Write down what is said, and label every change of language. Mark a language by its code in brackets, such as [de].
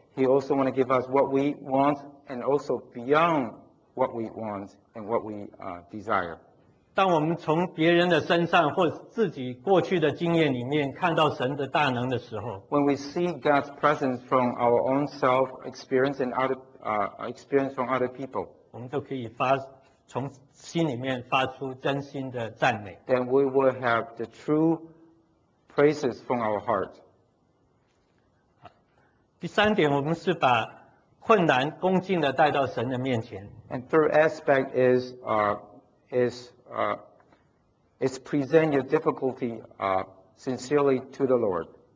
[en] He also want to give us what we want and also beyond what we want and what we desire. [zh] 当我们从别人的身上或自己过去的经验里面看到神的大能的时候, [en] when we see God's presence from our own self experience and other experience from other people, [zh] 我们就可以从心里面发出真心的赞美。 [en] Then we will have the true praises from our heart. [zh] 第三点，我们是把困难恭敬的带到神的面前。 [en] And third aspect is is present your difficulty sincerely to the Lord.